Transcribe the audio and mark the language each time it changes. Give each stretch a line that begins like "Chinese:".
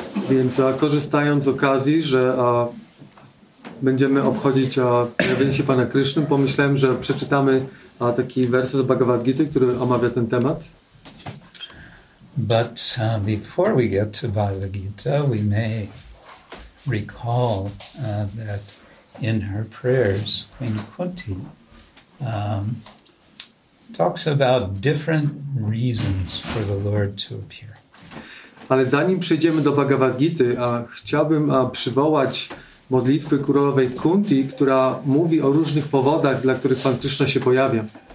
Polish: Więc korzystając z okazji, że będziemy obchodzić objawienie się Pana Kryszny, pomyślałem, że przeczytamy taki werset z Bhagavad Gita, który omawia ten temat.
English: But before we get to Bhagavad Gita, we may recall that in her prayers, Queen Kunti talks about different reasons for the Lord to appear.
Polish: Ale zanim przejdziemy do Bhagavad Gity, chciałbym przywołać modlitwy królowej Kunti, która mówi o różnych powodach, dla których Pan Krishna się pojawia.